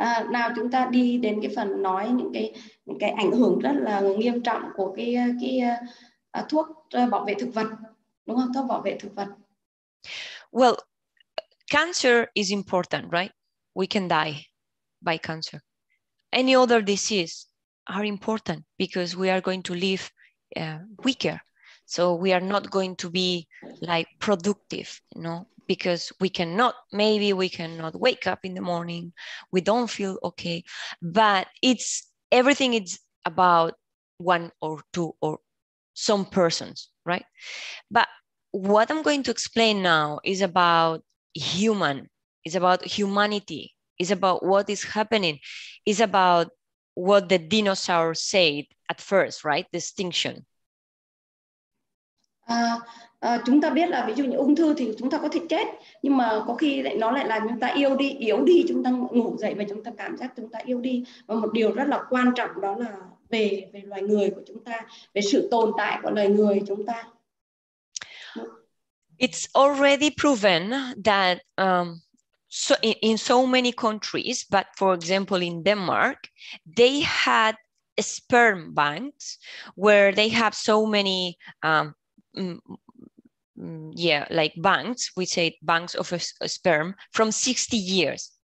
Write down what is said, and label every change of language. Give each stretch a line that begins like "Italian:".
Vietnamese: Nào chúng ta đi đến cái phần nói những cái ảnh hưởng rất là nghiêm trọng của cái thuốc bảo vệ thực vật, đúng không? Thuốc bảo vệ thực vật.
English: Well, cancer is important, right? We can die by cancer. Any other disease are important because we are going to live weaker. So we are not going to be like productive, you know, because we cannot, maybe we cannot wake up in the morning, we don't feel okay, but it's everything is about one or two or some persons, right? But what I'm going to explain now is about human, is about humanity, is about what is happening, is about what the dinosaurs said at first, right? Distinction.
Vietnamese: Chúng ta biết là ví dụ như ung thư thì chúng ta có thể chết, nhưng mà có khi lại nó lại làm chúng ta yếu đi, chúng ta ngủ dậy và chúng ta cảm giác chúng ta yếu đi. Và một điều rất là quan trọng đó là về loài người của chúng ta, về sự tồn tại của loài người chúng ta.
English: It's already proven that in so many countries, but for example in Denmark, they had sperm banks where they have so many banks, we say banks of a sperm from 60 years.